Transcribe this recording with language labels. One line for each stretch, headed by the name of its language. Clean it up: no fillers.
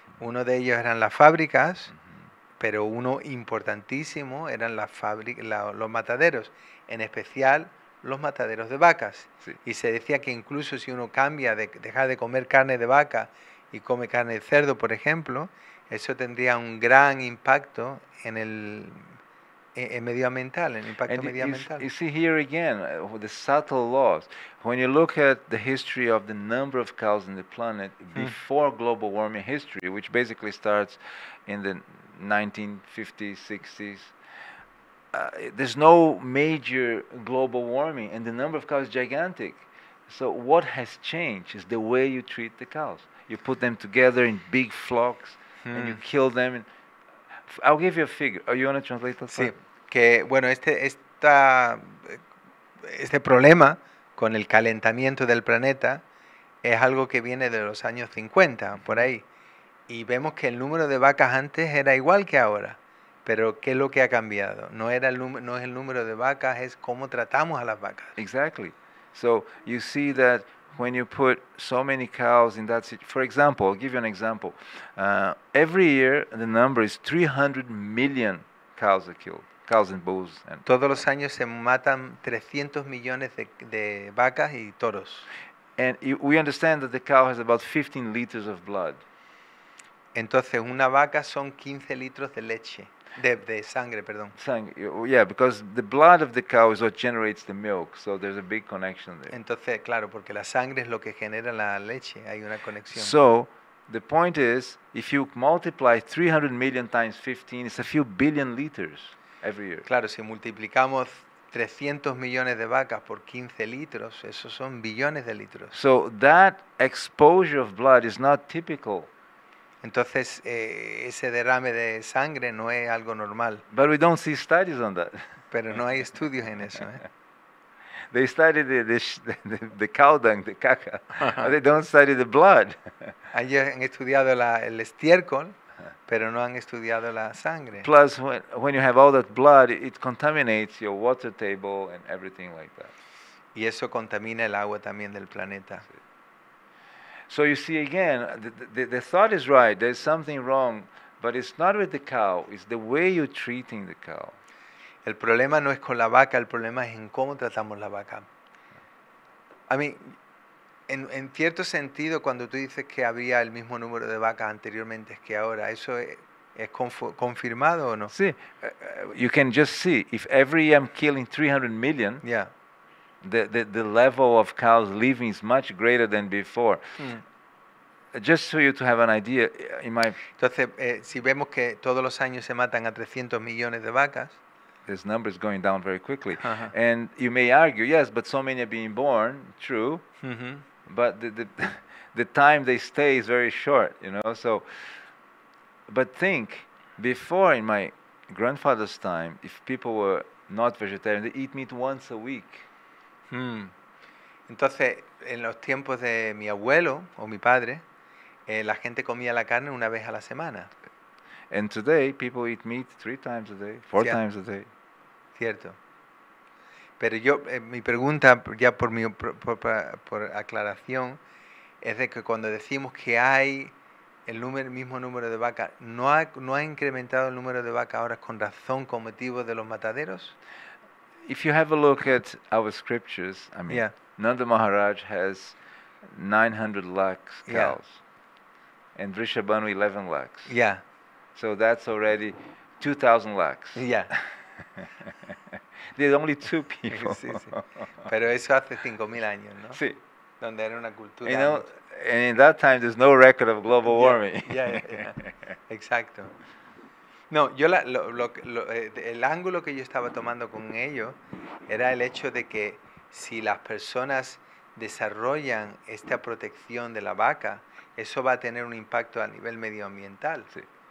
Spanish: Uno de ellos eran las fábricas, pero uno importantísimo eran las los mataderos, en especial los mataderos de vacas. Sí. Y se decía que incluso si uno cambia de dejar de comer carne de vaca y come carne de cerdo, por ejemplo, eso tendría un gran impacto en el medioambiental, en el impacto
English: and
Spanish: medioambiental.
English: You see here again the subtle laws. When you look at the history of the number of cows on the planet before global warming history, which basically starts in the 1950s, 60s, there's no major global warming and the number of cows is gigantic. So what has changed is the way you treat the cows. You put them together in big flocks and you kill them. I'll give you a figure. Oh, you want to translate that?
Spanish: Sí. Que, bueno, este problema con el calentamiento del planeta es algo que viene de los años 50, por ahí. Y vemos que el número de vacas antes era igual que ahora. Pero ¿qué es lo que ha cambiado? No es el número de vacas, es cómo tratamos a las vacas.
English: Exactly. So you see that when you put so many cows in that city, for example, I'll give you an example. Every year the number is 300 million cows are killed. Cows and bulls and
Spanish: todos los años se matan 300 millones de vacas y toros.
English: And we understand that the cow has about 15 liters of blood.
Spanish: Entonces una vaca son 15 litros de leche. De sangre, perdón.
English: Sangre, yeah, because the blood of the cow is what generates the milk, so there's a big connection there.
Spanish: Entonces, claro, porque la sangre es lo que genera la leche, hay una conexión.
English: So, the point is, if you multiply 300 million times 15, it's a few billion liters every year.
Spanish: Claro, si multiplicamos 300 millones de vacas por 15 litros, esos son billones de litros.
English: So, that exposure of blood is not typical.
Spanish: Entonces, ese derrame de sangre no es algo normal.
English: But we don't see studies on that.
Spanish: Pero no hay estudios en eso.
English: They study the cow dung, the caca. Uh-huh. They don't study the blood.
Spanish: Ellos han estudiado el estiércol, pero no han estudiado la sangre.
English: Plus, when you have all that blood, it contaminates your water table and everything like that.
Spanish: Y eso contamina el agua también del planeta. Sí.
English: So you see again, the thought is right, there's something wrong, but it's not with the cow, it's the way you're treating the cow.
Spanish: El problema no es con la vaca, el problema es en cómo tratamos la vaca.
English: I mean,
Spanish: en cierto sentido, cuando tú dices que había el mismo número de vacas anteriormente que ahora, ¿eso es confirmado o no?
English: Sí, you can just see, if every year I'm killing 300 million, yeah. The level of cows living is much greater than before. Mm. Just so you to have an idea, in my
Spanish: entonces, si vemos que todos los años se matan a 300 millones de vacas,
English: this number is going down very quickly. Uh-huh. And you may argue, yes, but so many are being born. True, mm-hmm. But the time they stay is very short. You know, so. But think, before in my grandfather's time, if people were not vegetarian, they eat meat once a week. Hmm.
Spanish: Entonces, en los tiempos de mi abuelo o mi padre, la gente comía la carne una vez a la semana.
English: And today, people eat meat three times a day, four yeah. times a day.
Spanish: Cierto. Pero yo, mi pregunta, ya por aclaración, es de que cuando decimos que hay el mismo número de vacas, ¿no ha incrementado el número de vacas ahora con razón, con motivo de los mataderos?
English: If you have a look at our scriptures, I mean, yeah. Nanda Maharaj has 900 lakhs cows, yeah. and Vrishabhanu 11 lakhs. Yeah. So that's already 2,000 lakhs. Yeah. There's only two people.
Spanish: Sí, sí. Pero eso hace 5,000 años, ¿no? Sí. Donde era una cultura.
English: You know, and in that time, there's no record of global warming. Yeah, yeah, yeah. Exacto.
Spanish: No, yo el ángulo que yo estaba tomando con ello era el hecho de que si las personas desarrollan esta protección de la vaca, eso va a tener un impacto a nivel medioambiental. Sí.